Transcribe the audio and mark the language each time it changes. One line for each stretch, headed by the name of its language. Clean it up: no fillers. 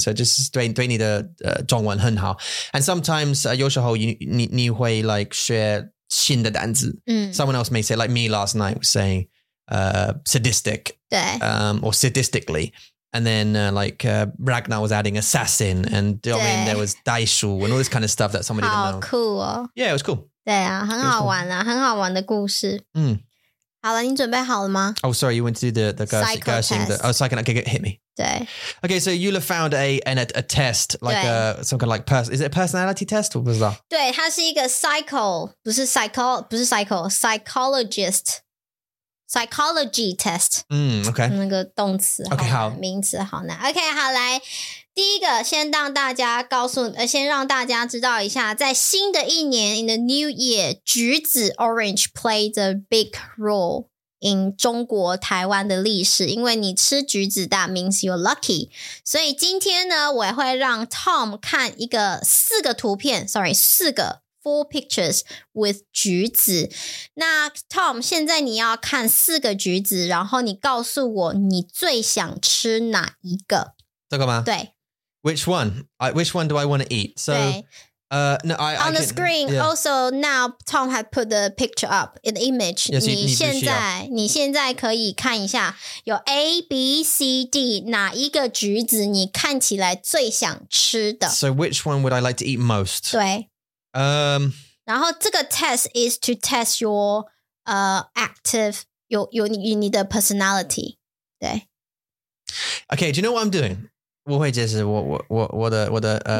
Chinese: So just 对你的中文很好. And sometimes, 有时候你会 like share 新的单字.
English: Someone else may say, like me last night was saying,sadistic,
Chinese: 对
English: or sadistically, and then Ragnar was adding assassin, and I mean there was 袋鼠 and all this kind of stuff that somebody didn't know.
Chinese: 好酷哦
English: Yeah, it was cool.
Chinese: 对啊，很好玩啊，很好玩的故事。好了，你准备好了吗
English: ？Oh, sorry, you went to do the Gershing. Oh, psychic. Okay, hit me.
Chinese: 对
English: Okay, so Eula found a test like a some kind of like person. Is it a personality test or was that? 对，它是一个 psychologist. Psychology test. Okay.
Chinese: 那个动词 okay, 好。名词好难。Okay, 好来。第一个先让大家告诉先让大家知道一下在新的一年 in the new year, 橘子 orange played a big role in 中国台湾的历史。因为你吃橘子 that means you're lucky. 所以今天呢我也会让 Tom 看一个四个图片 sorry, 四个。
English: Four pictures with 橘子。
Chinese: 那 Tom, 现在你要看四个橘子，然后你告诉我你最想吃哪一个？这个吗？对。
English: Which one? Which one do I want to eat? So No, I on the screen. Yeah. Also, now Tom has put the picture up in the image.
Chinese: Yes, 你现在可以看一下有 A B C D 哪一个橘子你看起来最想吃的。
English: So which one would I like to eat most? 对。然后这个 test is to test your active your 你的 personality. 对。 Okay, do you know what I'm doing? 我会解释我的